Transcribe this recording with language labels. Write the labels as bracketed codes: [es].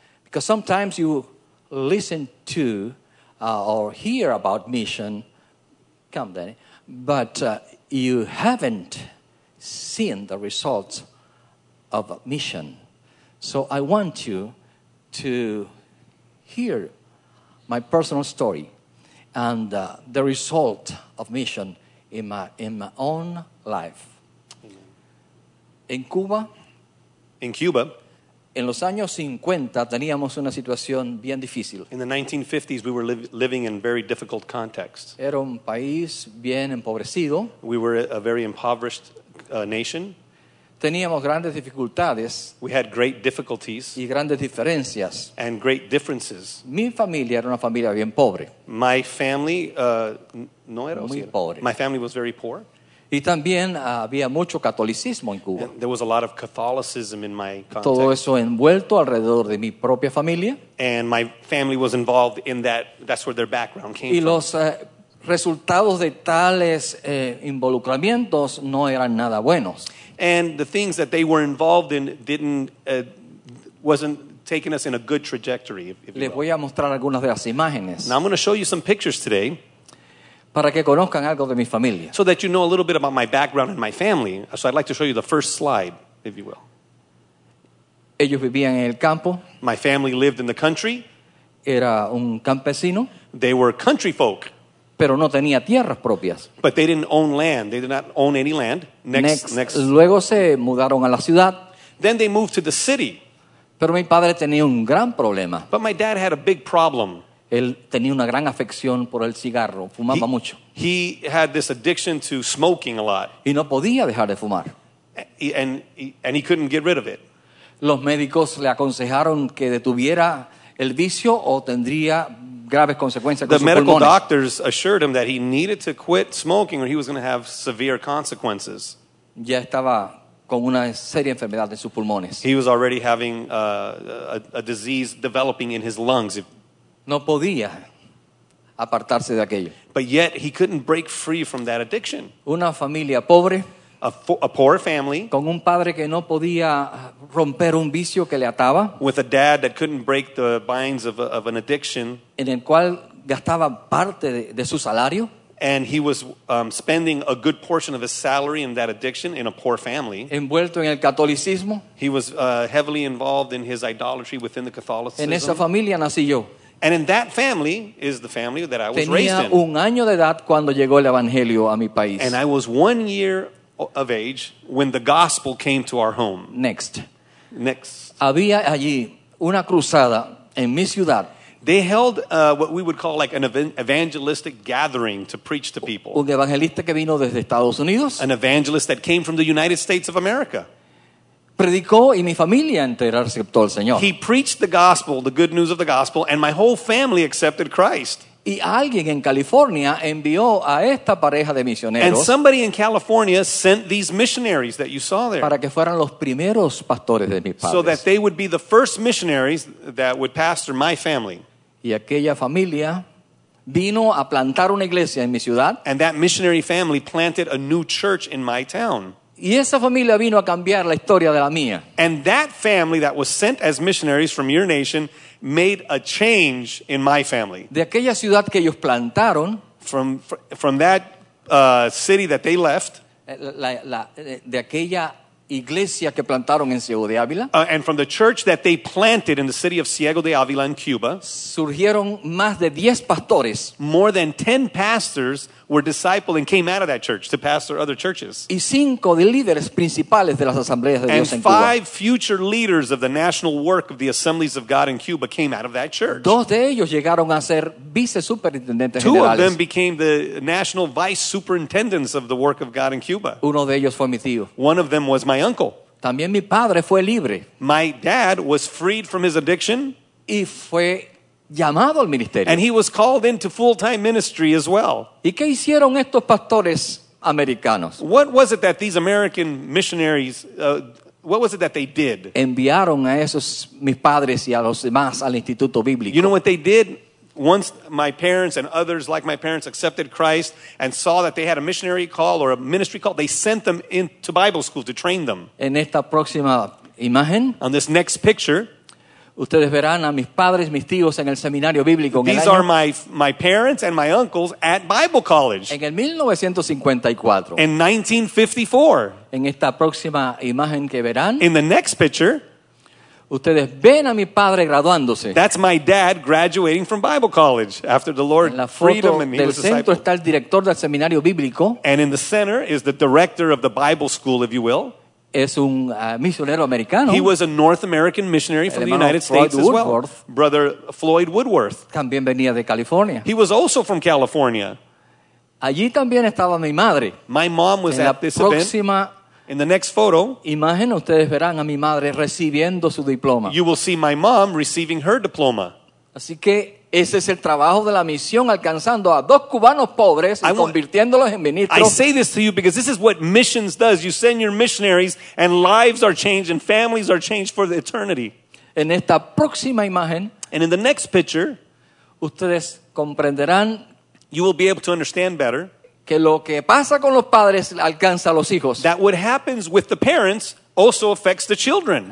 [en] Because sometimes you listen to or hear about mission, come Danny, but you haven't seen the results of a mission. So I want you to hear my personal story and the result of mission in my own life. In Cuba. [es] En los años 50 teníamos una situación bien difícil. [en] In the 1950s, we were living in very difficult context. [es] Era un país bien empobrecido. [en] We were a very impoverished nation. [es] Teníamos grandes dificultades. [en] We had great difficulties. [es] Y grandes diferencias. [en] And great differences. [es] Mi familia era una familia bien pobre. [en] My family, [es] no era muy pobre. [en] My family was very poor. [es] Y también había mucho catolicismo en Cuba. [en] And there was a lot of Catholicism in my context. [es] Todo eso envuelto alrededor de mi propia familia. [en] And my family was involved in that. That's where their background came from. [es] Y los resultados de tales involucramientos no eran nada buenos. [en] And the things that they were involved in wasn't taking us in a good trajectory, if you will. [es] Les voy a mostrar algunas de las imágenes. [en] Now I'm going to show you some pictures today. [es] Para que conozcan algo de mi familia. [en] So that you know a little bit about my background and my family. So I'd like to show you the first slide, if you will. [es] Ellos vivían en el campo. [en] My family lived in the country. [es] Era un campesino. [en] They were country folk. [es] Pero no tenía tierras propias. [en] But they didn't own land. They did not own any land. Next. [es] Luego se mudaron a la ciudad. [en] Then they moved to the city. [es] Pero mi padre tenía un gran problema. [en] But my dad had a big problem. [es] Él tenía una gran afección por el cigarro, fumaba mucho. [en] He had this addiction to smoking a lot. [es] Y no podía dejar de fumar. [en] And he couldn't get rid of it. [es] Los médicos le aconsejaron que detuviera el vicio o tendría graves consecuencias con sus pulmones. [en] The medical doctors assured him that he needed to quit smoking or he was going to have severe consequences. [es] Ya estaba con una seria enfermedad en sus pulmones. [en] He was already having a disease developing in his lungs. [es] No podía apartarse de aquello. [en] But yet he couldn't break free from that addiction. [es] Una familia pobre. [en] A poor family. [es] Con un padre que no podía romper un vicio que le ataba. [en] With a dad that couldn't break the binds of an addiction. [es] En el cual gastaba parte de su salario. [en] And he was spending a good portion of his salary in that addiction in a poor family. [es] Envuelto en el catolicismo. [en] He was heavily involved in his idolatry within the Catholicism. [es] En esa familia nací yo. [en] And in that family is the family that I was [es] Tenía [en] raised in. [es] Tenía un año de edad cuando llegó el evangelio a mi país. [en] And I was 1 year of age when the gospel came to our home. Next. [es] Había allí una cruzada en mi ciudad. [en] They held what we would call like an evangelistic gathering to preach to people. [es] Un evangelista que vino desde Estados Unidos. [en] An evangelist that came from the United States of America. [es] Predicó y mi familia entera aceptó al Señor. [en] He preached the gospel, the good news of the gospel, and my whole family accepted Christ. [es] Y alguien en California envió a esta pareja de misioneros. [en] And somebody in California sent these missionaries that you saw there. [es] Para que fueran los primeros pastores de mis padres. [en] So that they would be the first missionaries that would pastor my family. [es] Y aquella familia vino a plantar una iglesia en mi ciudad. [en] And that missionary family planted a new church in my town. [es] Y esa familia vino a cambiar la historia de la mía. [en] And that family that was sent as missionaries from your nation made a change in my family. [es] De aquella ciudad que ellos plantaron. [en] From that city that they left. [es] De aquella iglesia que plantaron en Ciego de Ávila. [en] And from the church that they planted in the city of Ciego de Ávila in Cuba. [es] Surgieron más de 10 pastores. [en] More than 10 pastors were discipled and came out of that church to pastor other churches. [es] Y 5 de líderes principales de las asambleas de Dios en Cuba. [en] And 5 future leaders of the national work of the Assemblies of God in Cuba came out of that church. [es] 2 de ellos llegaron a ser vice superintendentes generales. [en] 2 of them became the national vice superintendents of the work of God in Cuba. [es] Uno de ellos fue mi tío. [en] One of them was my uncle. [es] También mi padre fue libre. [en] My dad was freed from his addiction. [es] Y fue llamado al ministerio. [en] And he was called into full-time ministry as well. [es] ¿Y qué hicieron estos pastores americanos? [en] What was it that these American missionaries, what was it that they did? [es] Enviaron a esos mis padres y a los demás al Instituto Bíblico. [en] You know what they did? Once my parents and others like my parents accepted Christ and saw that they had a missionary call or a ministry call, they sent them into Bible school to train them. [es] En esta próxima imagen, [en] on this next picture, [es] ustedes verán a mis padres, mis tíos en el seminario bíblico. [en] These are my parents and my uncles at Bible college. [es] En el 1954. [en] In 1954. [es] En esta próxima imagen que verán, [en] in the next picture, [es] ustedes ven a mi padre graduándose. [en] That's my dad graduating from Bible college after the Lord freed him and he was a disciple. [es] Está el director del seminario bíblico. [en] And in the center is the director of the Bible school, if you will. [es] Es un misionero americano. [en] He was a North American missionary from the United States as well. Brother Floyd Woodworth. [es] También venía de California. [en] He was also from California. [es] Allí también estaba mi madre. [en] My mom was at this event. In the next photo, [es] imagen, ustedes verán a mi madre recibiendo su diploma. [en] You will see my mom receiving her diploma. [es] Así que ese es el trabajo de la misión, alcanzando a dos cubanos pobres y convirtiéndolos en ministros. [en] I say this to you because this is what missions does. You send your missionaries and lives are changed and families are changed for the eternity. [es] En esta próxima imagen, [en] and in the next picture, [es] ustedes comprenderán, [en] you will be able to understand better, [es] que lo que pasa con los padres alcanza a los hijos. [en] That what happens with the parents also affects the children.